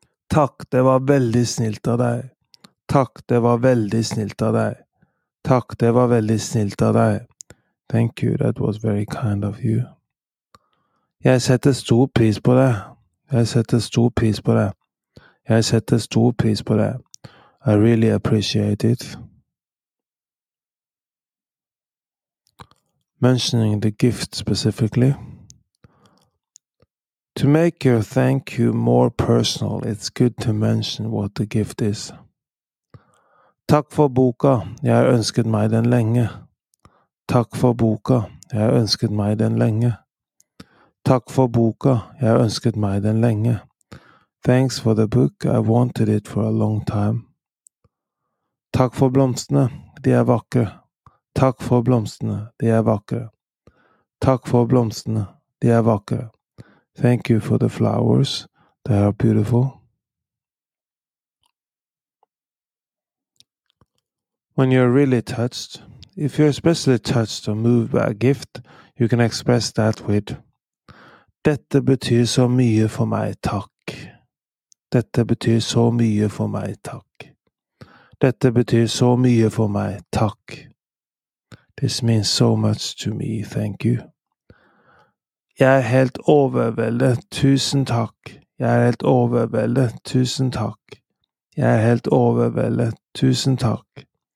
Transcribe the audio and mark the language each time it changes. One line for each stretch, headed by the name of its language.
Norwegian: Takk, det var veldig snilt av deg. Takk, det var veldig snilt av deg. Takk, det var veldig snilt av deg.
English: Thank you, that was very kind of you.
Norwegian: Jeg setter stor pris på det. Jeg setter stor pris på det. Jeg setter stor pris på det.
English: I really appreciate it. Mentioning the gift specifically. To make your thank you more personal, it's good to mention what the gift is.
Norwegian: Takk for boka, jeg har ønsket meg den lenge. Takk for boka, jeg har ønsket meg den lenge. Takk for boka, jeg har ønsket meg den lenge.
English: Thanks for the book, I wanted it for a long time.
Norwegian: Takk for blomstene, de er vakre. Takk for blomstene, de er vakre. Takk for blomstene, de er vakre.
English: Thank you for the flowers, they are beautiful. When you're really touched, if you're especially touched or moved by a gift, you can express that with
Norwegian: Dette betyr så mye for meg, takk. Dette betyr så mye for meg, takk. Dette betyr så mye for meg, takk.
English: This means so much to me, thank you.
Norwegian: Jeg helt overveldet, tusen takk. Jeg helt overveldet, tusen takk. Jeg helt overveldet, tusen takk.